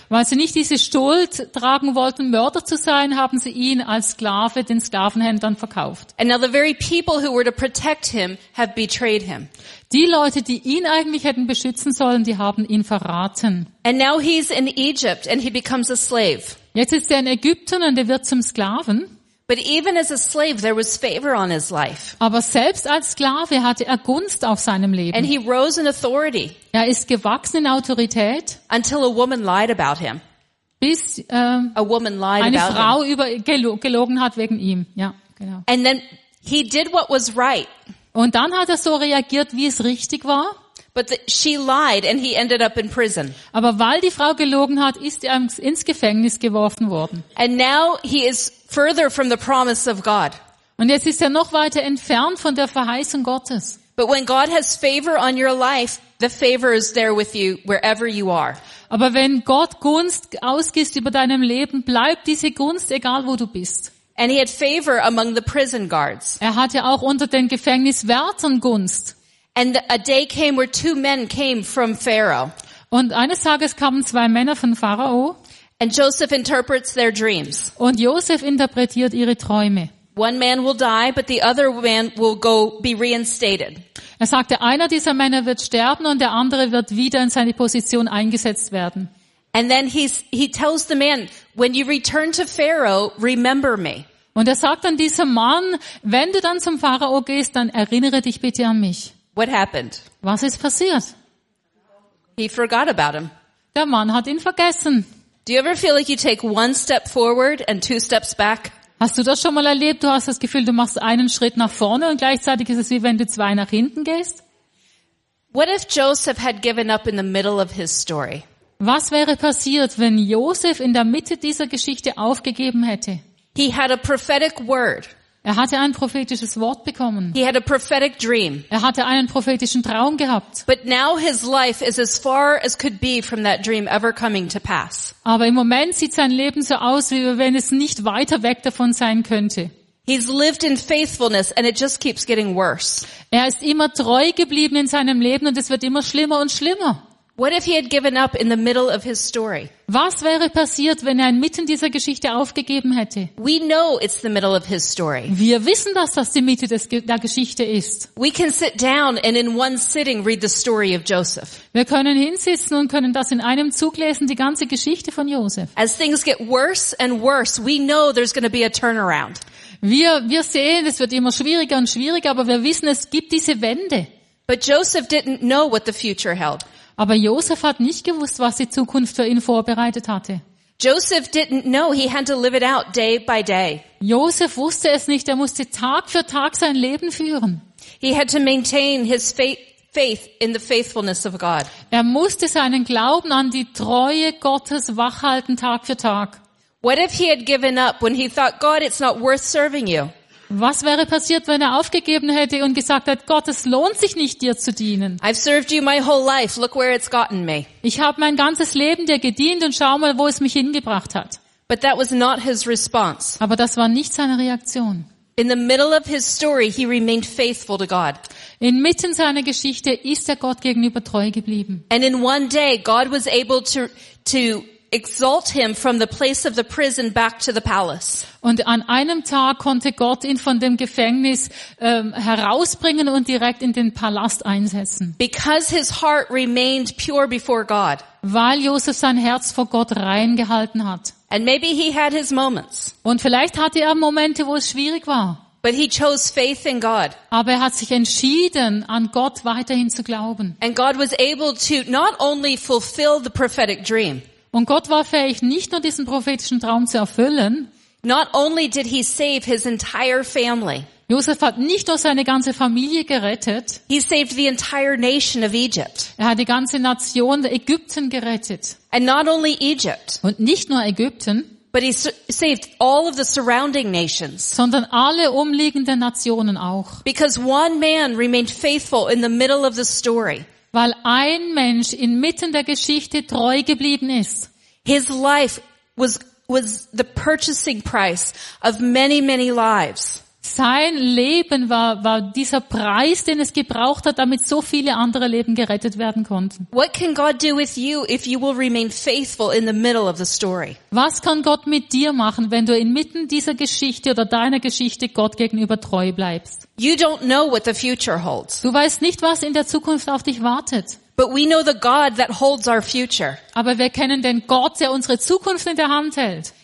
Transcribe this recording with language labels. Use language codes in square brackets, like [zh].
[de] Weil sie nicht diese Schuld tragen wollten, Mörder zu sein, haben sie ihn als Sklave den Sklavenhändlern verkauft. [en] And now the very people who were to protect him have betrayed him. [de] Die Leute, die ihn eigentlich hätten beschützen sollen, die haben ihn verraten. [en] And now he's in Egypt and he becomes a slave. [de] Jetzt ist er in Ägypten und er wird zum Sklaven. [en] But even as a slave, there was favor on his life. [de] Aber selbst als Sklave hatte er Gunst auf seinem Leben. [en] And he rose in authority. [de] Er ist gewachsen in Autorität. [en] Until a woman lied about him. [de] Bis [en] a woman lied [de] eine [en] about [de] Frau [en] him. [de] Über gelogen hat wegen ihm. Ja, genau. [en] And then he did what was right. [de] Und dann hat er so reagiert, wie es richtig war. [en] But she lied, and he ended up in prison. [de] Aber weil die Frau gelogen hat, ist er ins Gefängnis geworfen worden. [en] And now he is further from the promise of God. [de] Und jetzt ist er noch weiter entfernt von der Verheißung Gottes. [en] But when God has favor on your life, the favor is there with you wherever you are. [de] Aber wenn Gott Gunst ausgießt über deinem Leben, bleibt diese Gunst egal, wo du bist. [en] And he had favor among the prison guards. [de] Er hatte auch unter den Gefängniswärtern Gunst. [en] And a day came where two men came from Pharaoh. [de] Und eines Tages kamen zwei Männer von Pharao. [en] And Joseph interprets their dreams. [de] Und Joseph interpretiert ihre Träume. [en] One man will die, but the other man will go be reinstated. [de] Er sagte, einer dieser Männer wird sterben und der andere wird wieder in seine Position eingesetzt werden. [en] And then he tells the man, when you return to Pharaoh, remember me. [de] Und er sagt dann diesem Mann, wenn du dann zum Pharao gehst, dann erinnere dich bitte an mich. [en] What happened? [de] Was ist passiert? [en] He forgot about him. [de] Der Mann hat ihn vergessen. [en] Do you ever feel like you take one step forward and two steps back? [de] Hast du das schon mal erlebt? Du hast das Gefühl, du machst einen Schritt nach vorne und gleichzeitig ist es wie wenn du zwei nach hinten gehst? [en] What if Joseph had given up in the middle of his story? [de] Was wäre passiert, wenn Joseph in der Mitte dieser Geschichte aufgegeben hätte? [en] He had a prophetic word. [de] Er hatte ein prophetisches Wort bekommen. [en] He had a prophetic dream. [de] Er hatte einen prophetischen Traum gehabt. [en] But now his life is as far as could be from that dream ever coming to pass. [de] Aber im Moment sieht sein Leben so aus, wie wenn es nicht weiter weg davon sein könnte. [en] He's lived in faithfulness and it just keeps getting worse. [de] Er ist immer treu geblieben in seinem Leben und es wird immer schlimmer und schlimmer. [en] What if he had given up in the middle of his story? [de] Was wäre passiert, wenn er inmitten dieser Geschichte aufgegeben hätte? [en] We know it's the middle of his story. [de] Wir wissen, dass das die Mitte der Geschichte ist. [en] We can sit down and in one sitting read the story of Joseph. [de] Wir können hinsitzen und können das in einem Zug lesen, die ganze Geschichte von Josef. [en] As things get worse and worse, we know there's going to be a turnaround. [de] Wir sehen, es wird immer schwieriger und schwieriger, aber wir wissen, es gibt diese Wende. [en] But Joseph didn't know what the future held. [de] Aber Josef hat nicht gewusst, was die Zukunft für ihn vorbereitet hatte. [en] Joseph didn't know, he had to live it out day by day. [de] Josef wusste es nicht, er musste Tag für Tag sein Leben führen. [en] He had to maintain his faith in the faithfulness of God. [de] Er musste seinen Glauben an die Treue Gottes wachhalten Tag für Tag. [en] What if he had given up when he thought, God, it's not worth serving you? [de] Was wäre passiert, wenn er aufgegeben hätte und gesagt hätte, Gott, es lohnt sich nicht, dir zu dienen. [en] I've served you my whole life. Look where it's gotten me. [de] Ich habe mein ganzes Leben dir gedient und schau mal, wo es mich hingebracht hat. [en] But that was not his response. [de] Aber das war nicht seine Reaktion. [en] In the middle of his story, he remained faithful to God. [de] Inmitten seiner Geschichte ist er Gott gegenüber treu geblieben. [en] And in one day, God was able to exalt him from the place of the prison back to the palace. [de] Und an einem Tag konnte Gott ihn von dem Gefängnis herausbringen und direkt in den Palast einsetzen. [en] Because his heart remained pure before God. [de] Weil Josef sein Herz vor Gott rein gehalten hat. [en] And maybe he had his moments. [de] Und vielleicht hatte er Momente, wo es schwierig war. [en] But he chose faith in God. [de] Aber er hat sich entschieden, an Gott weiterhin zu glauben. [en] And God was able to not only fulfill the prophetic dream. [de] Und Gott war fähig, nicht nur diesen prophetischen Traum zu erfüllen. [en] Not only did he save his entire family. [de] Josef hat nicht nur seine ganze Familie gerettet. [en] He saved the entire nation of Egypt. [de] Er hat die ganze Nation der Ägypten gerettet. [en] And not only Egypt. [de] Und nicht nur Ägypten. [en] But he saved all of the surrounding nations. [de] Sondern alle umliegenden Nationen auch. [en] Because one man remained faithful in the middle of the story. [de] Weil ein Mensch inmitten der Geschichte treu geblieben ist. [en] His life was the purchasing price of many, many lives. [de] Sein Leben war dieser Preis, den es gebraucht hat, damit so viele andere Leben gerettet werden konnten. [en] What can God do with you if you will remain faithful in the middle of the story? [de] Was kann Gott mit dir machen, wenn du inmitten dieser Geschichte oder deiner Geschichte Gott gegenüber treu bleibst? [en] You don't know what the future holds. [de] Du weißt nicht, was in der Zukunft auf dich wartet. [en] But we know the God that holds our future. [de] Aber wir kennen den Gott, der unsere Zukunft in der Hand hält.